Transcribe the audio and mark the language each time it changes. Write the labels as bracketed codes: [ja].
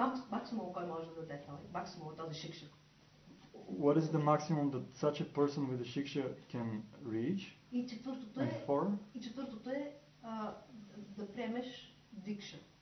[bg] Maximum кой може да даде това? Maximum този шикша. [en] What is the maximum that such a person with a shiksha can reach? [bg] И четвъртото е. И четвъртото е да приемеш дикша.